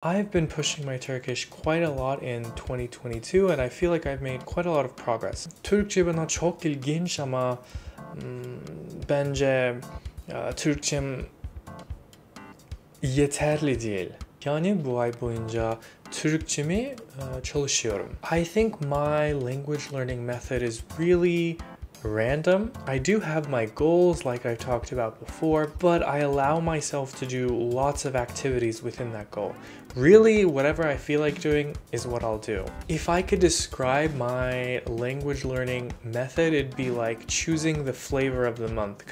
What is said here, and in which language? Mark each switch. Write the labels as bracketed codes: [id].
[en] I've been pushing my Turkish quite a lot in 2022, and I feel like I've made quite a lot of progress. [tr] Türkçe bana çok ilginç ama bence Türkçem yeterli değil. Yani bu ay boyunca Türkçemi çalışıyorum. [en] I think my language learning method is really random. I do have my goals, like I've talked about before, but I allow myself to do lots of activities within that goal. Really, whatever I feel like doing is what I'll do. If I could describe my language learning method, it'd be like choosing the flavor of the month.